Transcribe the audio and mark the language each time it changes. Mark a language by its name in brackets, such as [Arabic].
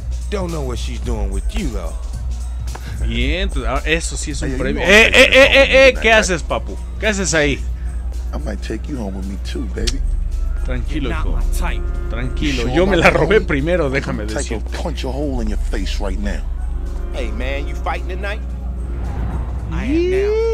[English] Don't know what she's doing with you, though. [Spanish] Bien, eso sí es un premio. ¿Qué haces, papu? ¿Qué haces ahí? [English] I might take you home with me too, baby. [Spanish] Tranquilo, hijo. Tranquilo. Yo me la robé primero, déjame decirte. [English] Punch a hole in your face right now. Hey, man, you fighting tonight? I am now.